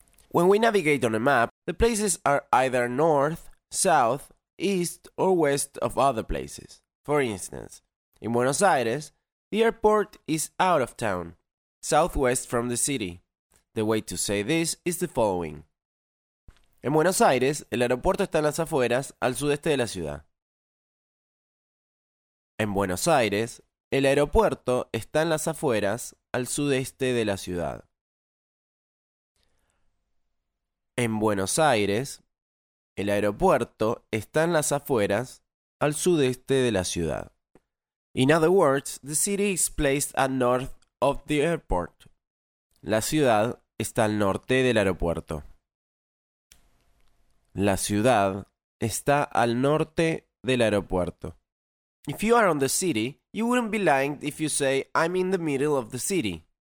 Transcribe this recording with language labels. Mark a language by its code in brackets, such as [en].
[en] When we navigate on a map, the places are either north, south, east, or west of other places. For instance, in Buenos Aires, the airport is out of town, southwest from the city. The way to say this is the following. [es] En Buenos Aires, el aeropuerto está en las afueras, al sudeste de la ciudad. En Buenos Aires, el aeropuerto está en las afueras, al sudeste de la ciudad. En Buenos Aires, el aeropuerto está en las afueras, al sudeste de la ciudad. [en] In other words, the city is placed at north of the airport. [es] La ciudad está al norte del aeropuerto. La ciudad está al norte del aeropuerto. [en] If you are on the city, you wouldn't be lying if you say, I'm in the middle of the city.